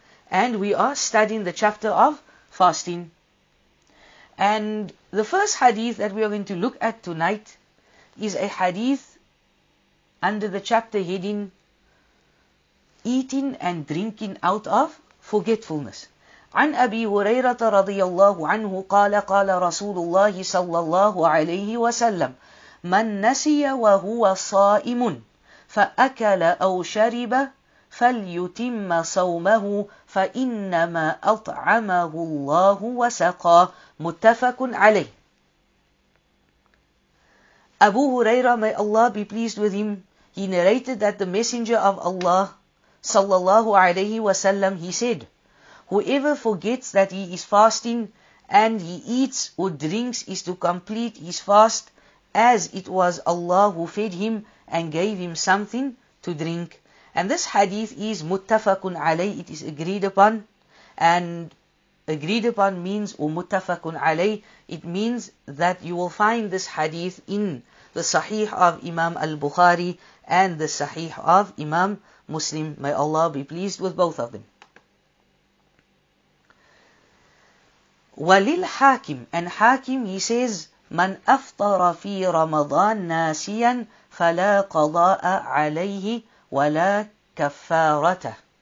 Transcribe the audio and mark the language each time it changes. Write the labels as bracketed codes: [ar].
[en] And we are studying the chapter of fasting. And the first hadith that we are going to look at tonight is a hadith under the chapter heading Eating and Drinking Out of Forgetfulness. [ar] عن أبي هريرة رضي الله عنه قال قال رسول الله صلى الله عليه وسلم من نسي وهو صائم فأكل أو شرب فليتم صومه فإنما أطعمه الله وسقاه متفق عليه. [en] Abu Huraira, may Allah be pleased with him, he narrated that the Messenger of Allah, sallallahu alayhi wa sallam, he said, Whoever forgets that he is fasting and he eats or drinks is to complete his fast as it was Allah who fed him and gave him something to drink. And this hadith is muttafaqun alayh, it is agreed upon. And agreed upon means, or muttafaqun alayh, it means that you will find this hadith in the Sahih of Imam al-Bukhari and the Sahih of Imam Muslim. May Allah be pleased with both of them. [ar] وللحاكم, [en] and Hakim, he says, [ar] من أفطر في رمضان ناسيا فلا قضاء عليه ولا كفارة.